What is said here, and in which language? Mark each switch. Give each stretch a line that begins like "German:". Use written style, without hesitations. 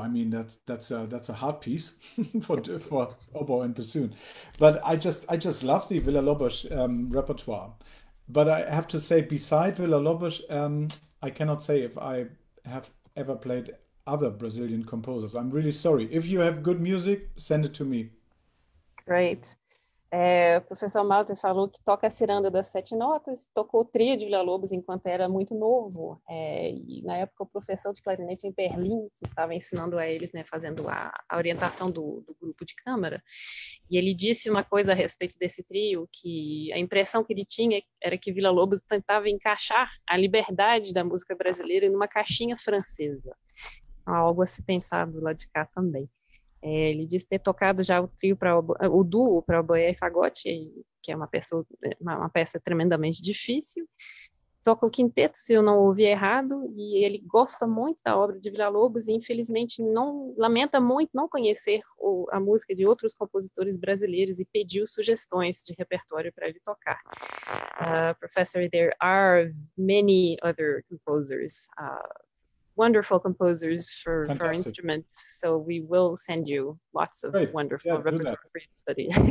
English: I mean, that's a hard piece for oboe and bassoon, but I just love the Villa-Lobos repertoire. But I have to say, beside Villa-Lobos, I cannot say if I have ever played other Brazilian composers. I'm really sorry. If you have good music, send it to me. Great.
Portuguese: O professor Malte falou que toca a ciranda das sete notas, tocou o trio de Villa-Lobos enquanto era muito novo. E na época, o professor de clarinete em Berlim, que estava ensinando a eles, né, fazendo a orientação do grupo de câmara, e ele disse uma coisa a respeito desse trio, que a impressão que ele tinha era que Villa-Lobos tentava encaixar a liberdade da música brasileira numa caixinha francesa. Algo a se pensar do lado de cá também. Ele disse ter tocado já o duo para oboé e fagote, que é uma peça tremendamente difícil. Toca o quinteto, se eu não ouvi errado, e ele gosta muito da obra de Villa-Lobos e, infelizmente, lamenta muito não conhecer a música de outros compositores brasileiros e pediu sugestões de repertório para ele tocar.
English: Professor, there are many other composers, wonderful composers for instruments, so we will send you lots of great, wonderful, yeah, repertoire for you to study.